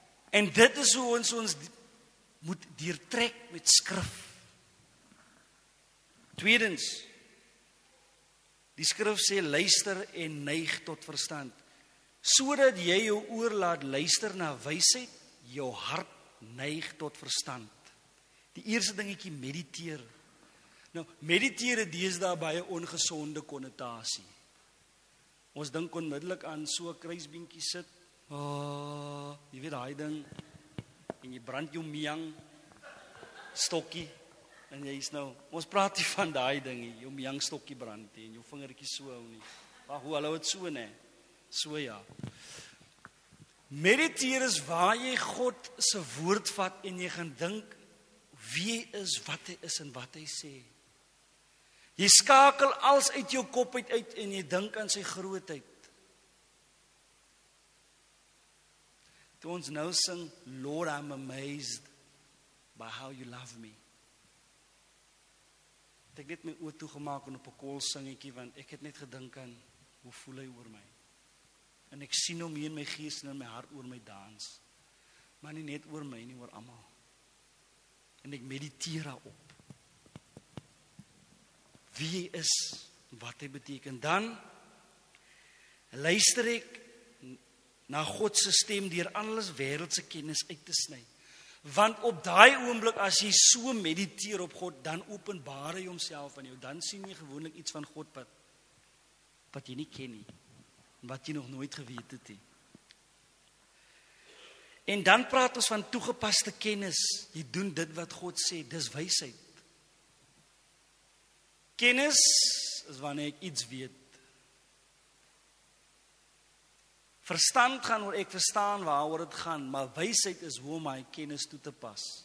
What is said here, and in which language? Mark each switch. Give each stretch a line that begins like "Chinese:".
Afrikaans: En dit is hoe ons moet deurtrek met skrif. Tweedens, die skrif sê, luister en neig tot verstand, sodat jy jou oor laat luister na wysheid, jou hart neig tot verstand. Die eerste dingetjie, mediteer. Nou, mediteer het deesdae baie ongesonde konnotasie. Ons dink onmiddellik aan so 'n kruisbeentjie sit. Oh, jy weet daai ding. En jy brand jou miang stokkie. En jy is nou, ons praat hier van daai ding, jou miang stokkie brand en jou vingertjie so hou nie. Wag, hoe hulle het so nê. So ja. Mediteer is waar jy God se woord vat en jy gaan dink wie hy is, wat hy is en wat hy sê. Jy skakel alles uit jou kop uit en jy dink aan sy grootheid. Toe ons nou sing,
English: Lord, I'm amazed by how you love me.
Afrikaans: Het ek net my oor toegemaak en op 'n kool singetjie, want ek het net gedink aan hoe voel hy oor my. En ek sien hom hier in my gees en in my hart oor my dans. Maar nie net oor my nie, oor almal. En ek mediteer daarop. Wie is, wat hy beteken. Dan luister ek na God se stem deur alles wêreldse kennis uit te sny. Want op daai oomblik as jy so mediteer op God, dan openbaar hy homself aan jou. Dan sien jy gewoonlik iets van God wat jy nie ken nie, wat jy nog nooit geweet het nie. En dan praat ons van toegepaste kennis. Jy doen dit wat God sê, dis wysheid. Kennis is wanneer ek iets weet. Verstand gaan oor ek verstaan waaroor dit gaan, maar wysheid is hoe om my kennis toe te pas.